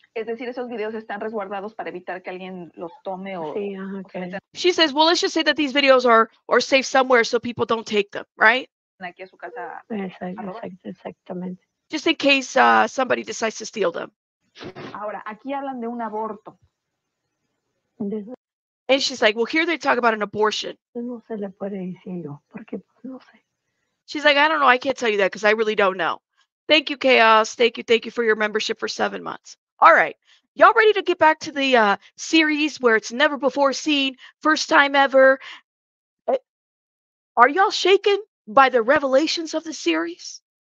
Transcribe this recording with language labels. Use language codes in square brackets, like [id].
[es] Es decir, esos videos están resguardados para evitar que alguien los tome o... Sí, okay. [en] She says, well, let's just say that these videos are safe somewhere so people don't take them, right? [es] Aquí a su casa. Exactamente. [en] Just in case somebody decides to steal them. [es] Ahora, aquí hablan de un aborto. [en] And she's like, well, here they talk about an abortion. [es] No se le puede decir yo, porque no sé. [en] She's like, I don't know, I can't tell you that because I really don't know. Thank you, Chaos. Thank you for your membership for 7 months. All right, y'all ready to get back to the series where it's never before seen, first time ever? Are y'all shaken by the revelations of the series?